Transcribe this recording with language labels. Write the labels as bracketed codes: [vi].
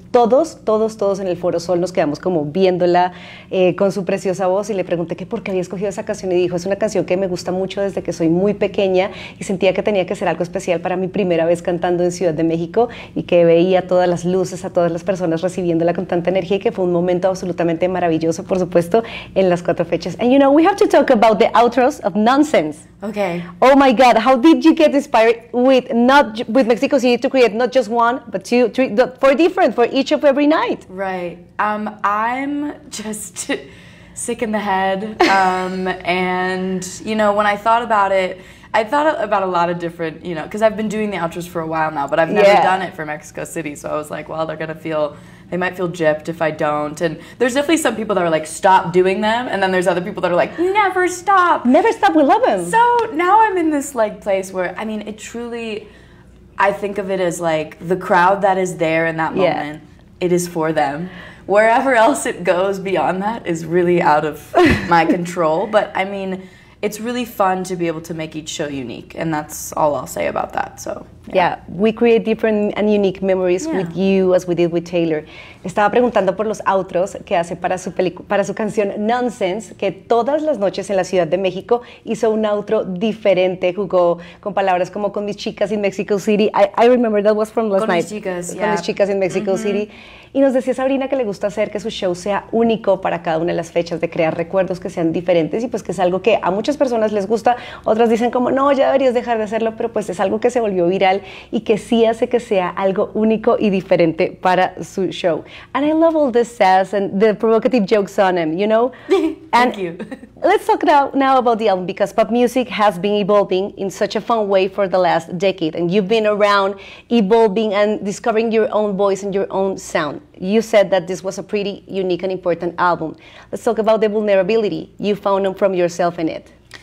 [es] Todos en el Foro Sol nos quedamos como viéndola con su preciosa voz y le pregunté que por qué había escogido esa canción y dijo, es una canción que me gusta mucho desde que soy muy pequeña y sentía que tenía que ser algo especial para mi primera vez cantando en Ciudad de México y que veía todas las luces, a todas las personas recibiéndola con tanta energía y que fue un momento absolutamente maravilloso, por supuesto, en las 4 fechas. [en] And you know, we have to talk about the outros of Nonsense. Okay. Oh my God, how did you get inspired with Mexico City to create not just one but 2, 3, 4 different for each of every night? Right. I'm just sick in the head, and you know, when I thought about it, I thought about a lot of different, you know, because I've been doing the outros for a while now, but I've never yeah. done it for Mexico City, so I was like, well, they might feel gypped if I don't. And there's definitely some people that are like, stop doing them. And then there's other people that are like, never stop. Never stop, we love them. So now I'm in this like place where, I mean, it truly, I think of it as like the crowd that is there in that yeah. moment, it is for them. Wherever else it goes beyond that is really out of my control. But I mean, it's really fun to be able to make each show unique. And that's all I'll say about that, so. Yeah, we create different and unique memories with you as we did with Taylor. [es] Estaba preguntando por los outros que hace para su canción Nonsense, que todas las noches en la Ciudad de México hizo un outro diferente, jugó con palabras como con mis chicas in Mexico City. [en] I remember that was from last [es] con [en] night. [es] Con mis chicas, con mis chicas in Mexico City. Y nos decía Sabrina que le gusta hacer que su show sea único para cada una de las fechas, de crear recuerdos que sean diferentes, y pues que es algo que a muchas personas les gusta, otras dicen como, no, ya deberías dejar de hacerlo, pero pues es algo que se volvió viral y que sí hace que sea algo único y diferente para su show. [en] And I love all the sass and the provocative jokes on him, you know? Thank you. Let's talk now about the album, because pop music has been evolving in such a fun way for the last decade, and you've been around evolving and discovering your own voice and your own sound. You said that this was a pretty unique and important album. Let's talk about the vulnerability you found from yourself in it.